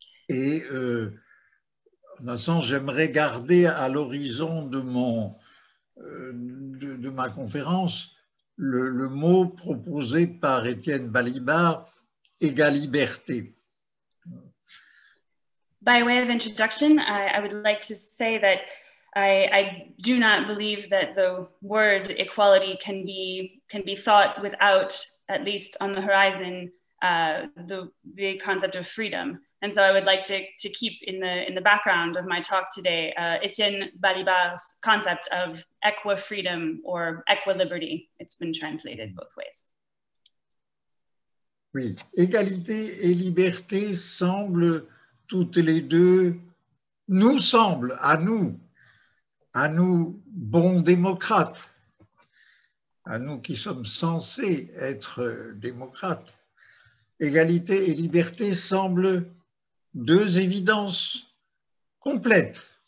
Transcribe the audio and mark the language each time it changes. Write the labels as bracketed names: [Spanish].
[French] Et en un sens, j'aimerais garder à l'horizon de ma conférence le mot proposé par Étienne Balibar, égaliberté. [English] By way of introduction, I would like to say that I do not believe that the word equality can be thought without, at least on the horizon, the concept of freedom. And so I would like to keep in the background of my talk today, Étienne Balibar's concept of equi-freedom or equi-liberty. It's been translated both ways. [French] Oui, égalité et liberté semblent toutes les deux, nous semblent, à nous bons démocrates, à nous qui sommes censés être démocrates, égalité et liberté semblent deux évidences complètes.